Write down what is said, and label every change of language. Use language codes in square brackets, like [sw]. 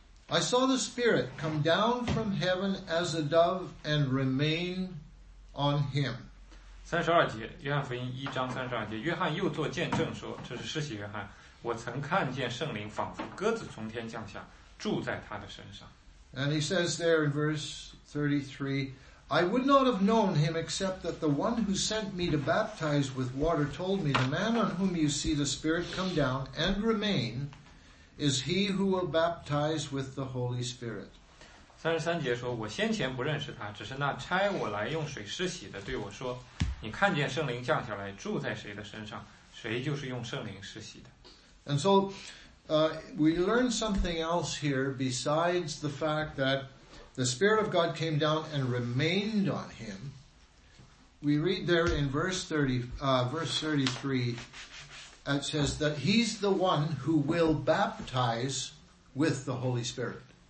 [en] I saw the Spirit come down from heaven as a dove and remain on him. [zh] 32节，约翰福音一章32节，约翰又做见证说，这是施洗约翰，我曾看见圣灵仿佛鸽子从天降下，住在他的身上。 [en] And he says there in verse 33, I would not have known him except that the one who sent me to baptize with water told me, the man on whom you see the Spirit come down and remain is he who will baptize with the Holy Spirit. [zh] 33节说，我先前不认识他，只是那差我来用水施洗的对我说，你看见圣灵降下来住在谁的身上，谁就是用圣灵施洗的。 [en] And so we learn something else here besides the fact thatThe Spirit of God came down and remained on him. We read there in verse 33, it says that he's the one who will baptize with the Holy Spirit.